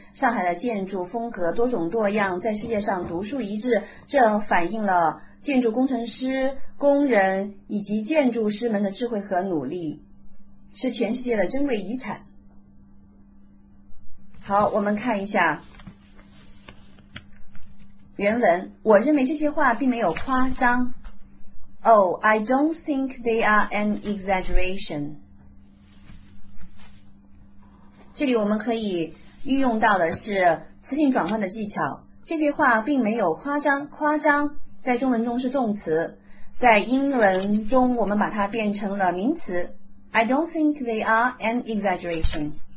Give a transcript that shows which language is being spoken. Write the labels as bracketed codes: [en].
[zh] 上海的建筑风格多种多样，在世界上独树一帜，这反映了建筑工程师、工人以及建筑师们的智慧和努力，是全世界的珍贵遗产。好，我们看一下原文，我认为这些话并没有夸张。 [en] Oh, I don't think they are an exaggeration. [zh] 这里我们可以运用到的是词性转换的技巧。这些话并没有夸张，夸张在中文中是动词，在英文中我们把它变成了名词。 [en] I don't think they are an exaggeration.